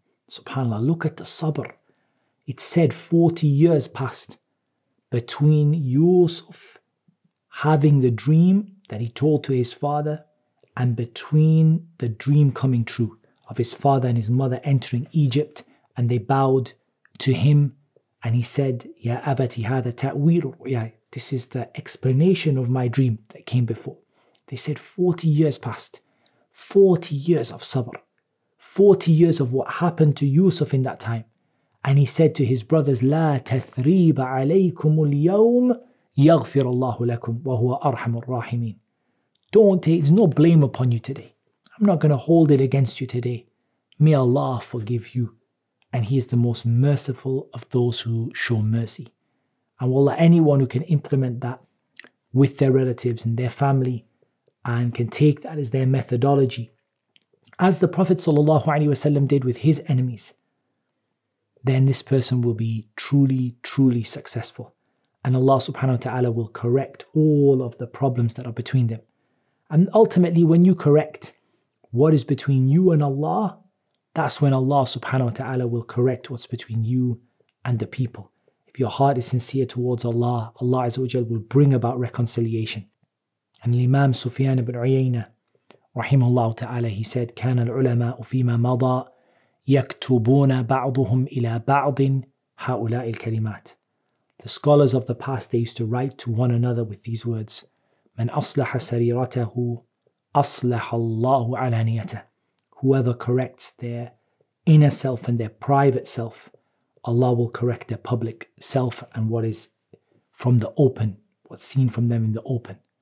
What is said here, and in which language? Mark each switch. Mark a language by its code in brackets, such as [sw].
[en] SubhanAllah, look at the sabr. It said 40 years passed between Yusuf having the dream that he told to his father and between the dream coming true of his father and his mother entering Egypt, and they bowed to him and he said, [ar] Ya abati hadha ta'wir, [en] this is the explanation of my dream that came before. They said 40 years passed, 40 years of sabr, 40 years of what happened to Yusuf in that time. [ar] And he said to his brothers, لا تثريب عليكم اليوم يغفر الله لكم وهو أرحم الراحمين. [en] Don't take, there's no blame upon you today. I'm not going to hold it against you today. May Allah forgive you. And he is the most merciful of those who show mercy. And wallah, anyone who can implement that with their relatives and their family and can take that as their methodology, as the Prophet ﷺ did with his enemies, then this person will be truly, truly successful. and Allah subhanahu wa ta'ala will correct all of the problems that are between them. And ultimately, when you correct what is between you and Allah, that's when Allah subhanahu wa ta'ala will correct what's between you and the people. If your heart is sincere towards Allah, Allah azza wa jal will bring about reconciliation. And Imam Sufyan ibn Uyayna, rahimahullah ta'ala, he said, [ar] كَانَ الْعُلَمَاءُ فِي مَا مَضَى يَكْتُبُونَ بَعْضُهُمْ إِلَىٰ بَعْضٍ هَؤُلَاءِ الْكَلِمَاتِ. [en] The scholars of the past, they used to write to one another with these words, [ar] مَنْ أَصْلَحَ سَرِيرَتَهُ أَصْلَحَ اللَّهُ عَلَانِيَتَهُ. [en] Whoever corrects their inner self and their private self, Allah will correct their public self and what is from the open, what's seen from them in the open.